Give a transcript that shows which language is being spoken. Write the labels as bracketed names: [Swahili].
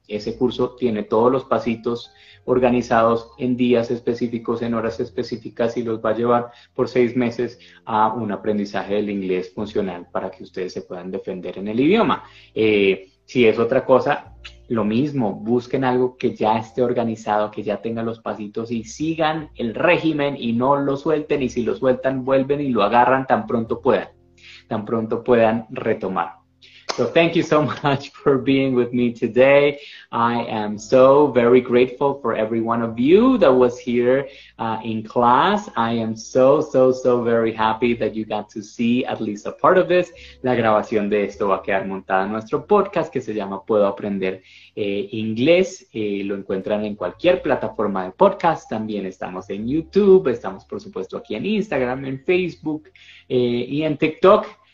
[Spanish] Ese curso tiene todos los pasitos organizados en días específicos, en horas específicas, y los va a llevar por 6 meses a un aprendizaje del inglés funcional para que ustedes se puedan defender en el idioma. Si es otra cosa, lo mismo, busquen algo que ya esté organizado, que ya tenga los pasitos y sigan el régimen y no lo suelten, y si lo sueltan, vuelven y lo agarran tan pronto puedan retomar. [English] So thank you so much for being with me today. I am so very grateful for every one of you that was here in class. I am so, so, so very happy that you got to see at least a part of this. [Spanish] La grabación de esto va a quedar montada en nuestro podcast que se llama Puedo Aprender Inglés. Lo encuentran en cualquier plataforma de podcast. También estamos en YouTube. Estamos, por supuesto, aquí en Instagram, en Facebook y en TikTok.